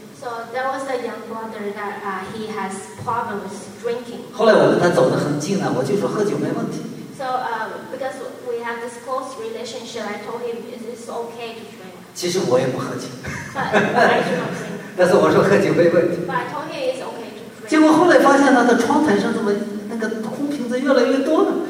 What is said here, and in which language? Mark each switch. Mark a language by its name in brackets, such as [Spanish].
[English] So there was a young brother that he has problems drinking. [Chinese] 后来我跟他走得很近呢，我就说喝酒没问题。 [English] So because we have this close relationship, I told him it's okay to drink. [Chinese] 其实我也不喝酒。 [English] But, [Chinese] 但是我说喝酒没问题。 [English] But I told him it's okay to drink. [Chinese] 结果后来发现他的窗台上怎么那个空瓶子越来越多呢？